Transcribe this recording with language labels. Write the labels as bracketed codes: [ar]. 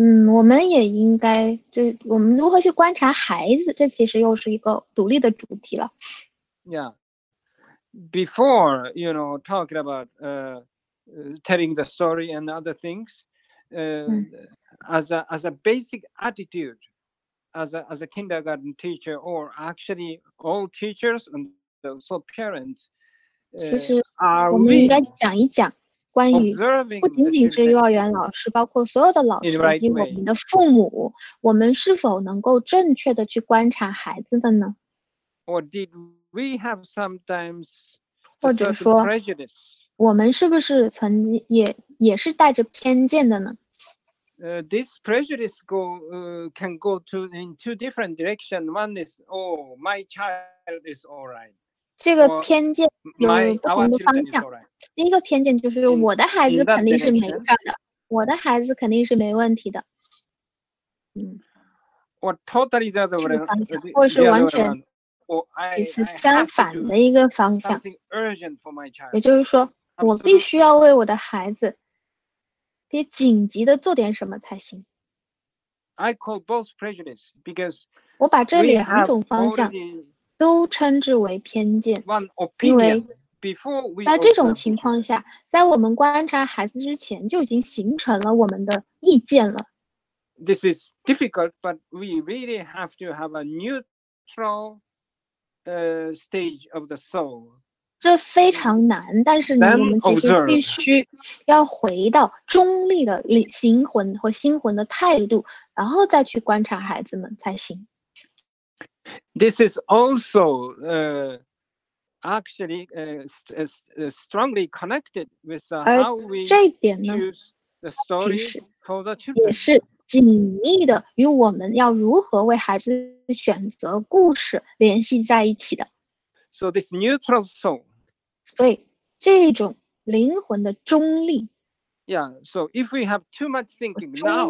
[zh] 我们也应该就我们如何去观察孩子，这其实又是一个独立的主题了。 [en] Yeah, before you know talking about telling the story and other things, as a basic attitude, as a kindergarten teacher or actually all teachers and also parents, [zh] 其实我们应该讲一讲。关于不仅仅是幼儿园老师，包括所有的老师以及我们的父母，我们是否能够正确的去观察孩子的呢？ [en] Or did we have sometimes [zh] 或者说我们是不是曾经也是带着偏见的呢？ [en] This prejudice can go in two different directions. One is, oh, my child is all right. [zh] 这个偏见有不同的方向。第一个偏见就是我的孩子肯定是没事的，我的孩子肯定是没问题的。我 totally 在这个方向，或是完全是相反的一个方向。也就是说，我必须要为我的孩子，得紧急的做点什么才行。 [en] I call both prejudice because [zh] 我把这两种方向。都称之为偏见，因为在这种情况下，在我们观察孩子之前就已经形成了我们的意见了。 [en] This is difficult, but we really have to have a neutral, stage of the soul. [zh] 这非常难，但是我们其实必须要回到中立的灵魂和心魂的态度，然后再去观察孩子们才行。 [en] This is also strongly connected with how we choose The story for the children. [zh] 也是紧密的与我们要如何为孩子选择故事联系在一起的。 [en] So this neutral soul. [zh] 所以这种灵魂的中立。 [en] Yeah, so if we have too much thinking now,